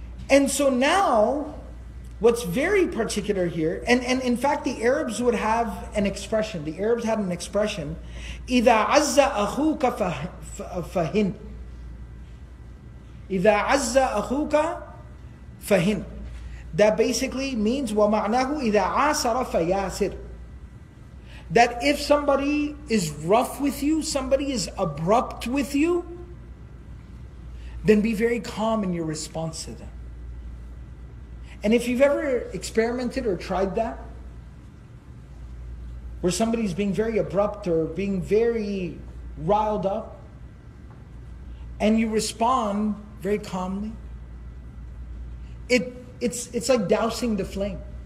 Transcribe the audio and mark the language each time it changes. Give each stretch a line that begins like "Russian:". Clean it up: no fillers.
English: And so now, what's very particular here, and in fact the Arabs would have an expression,
Arabic: إِذَا عَزَّ أَخُوكَ فَهِنْ
English: إِذَا عَزَّ أَخُوكَ فَهِنْ. That basically means
Arabic: وَمَعْنَهُ إِذَا عَاسَرَ فَيَاسِرْ.
English: That if somebody is rough with you, somebody is abrupt with you, then be very calm in your response to them. And if you've ever experimented or tried that, where somebody's being very abrupt or being very riled up, and you respond very calmly, It's like dousing the flame.